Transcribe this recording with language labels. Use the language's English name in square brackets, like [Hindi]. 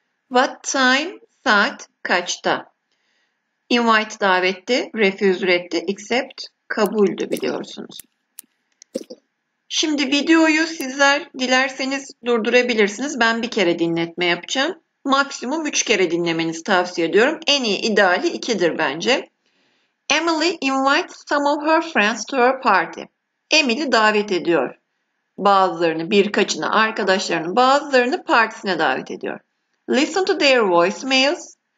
[English] What time, [Turkish] saat, kaçta. Invite davetti, refuse reddi, accept kabuldü biliyorsunuz. Şimdi videoyu sizler dilerseniz durdurabilirsiniz. Ben bir kere dinletme yapacağım. Maksimum 3 kere dinlemenizi tavsiye ediyorum. En iyi ideali 2'dir bence. [English] Emily invites some of her friends to her party. [Turkish] Emily davet ediyor. Bazılarını, birkaçını, arkadaşlarını, bazılarını partisine davet ediyor. [English] Listen to their voicemails.